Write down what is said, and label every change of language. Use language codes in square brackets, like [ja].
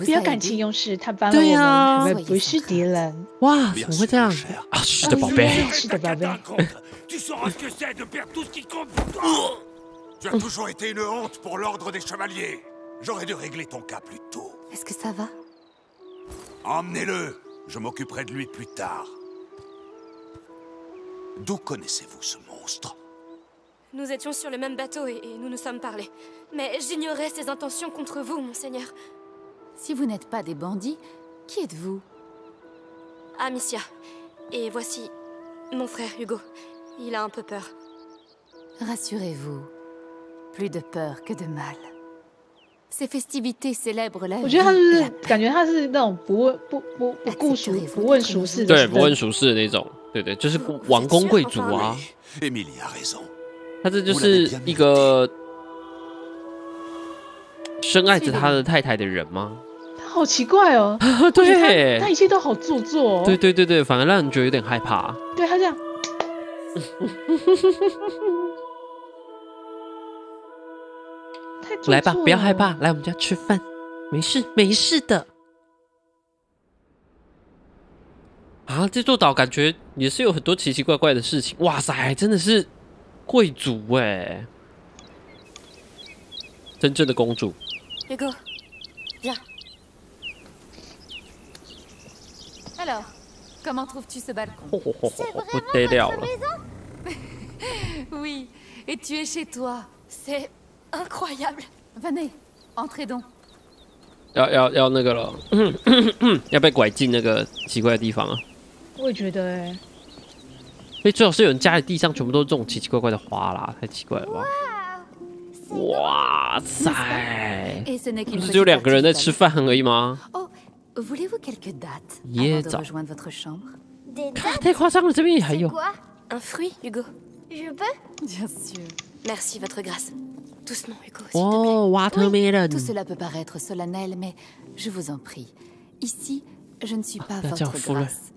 [fr] a aidé. [zh] 不要感情用事，他帮了我们，我们不是敌人。哇，怎么会这样？啊，是的，宝贝。是的，宝贝。 [fr] Tu sauras ce que c'est de perdre tout ce qui compte pour toi. Tu as toujours été une honte pour l'ordre des chevaliers. J'aurais dû régler ton cas plus tôt. Est-ce que ça va? Emmenez-le. Je m'occuperai de lui plus tard. D'où connaissez-vous ce monstre? Nous étions sur le même bateau et nous nous sommes parlé. Mais j'ignorais ses intentions contre vous, monseigneur. Si vous n'êtes pas des bandits, qui êtes-vous? Amicia. Et voici mon frère Hugo. Il a un peu peur. Rassurez-vous. Plus de peur que de mal. Ces festivités célèbrent la vie. [zh] 我觉得他是感觉他是那种不顾熟不问熟事的，对，不问熟事的那种，对对，就是王公贵族啊。 [fr] Emilia a raison. [zh] 他这就是一个深爱着他的太太的人吗？他好奇怪哦。对他，他一切都好做作、哦。对对对对，反而让人觉得有点害怕。对他这样。来吧，不要害怕，来我们家吃饭，没事，没事的。啊，这座岛感觉也是有很多奇奇怪怪的事情。哇塞，真的是贵族哎，真正的公主。雨哥，呀 [fr] ，Alors, comment trouves-tu ce balcon? C'est vraiment votre maison? Oui, et tu es chez toi. C'est incroyable. Venez, entrez donc. [zh] 要那个了，要被拐进那个奇怪的地方啊！我也觉得哎、欸，最好是有人家的地上全部都是这种奇奇怪怪的花啦，太奇怪了吧！哇塞！不是只有两个人在吃饭而已吗？哦、 [fr] voulez-vous quelques dates? [zh] 椰枣。太夸张了，这边也还有。 [fr] Un fruit, Hugo. Je peux? Bien sûr. Merci, votre grâce. [en] Watermelon. [fr] Tout cela peut paraître solennel, mais je vous en prie, ici, je ne suis pas votre grâce.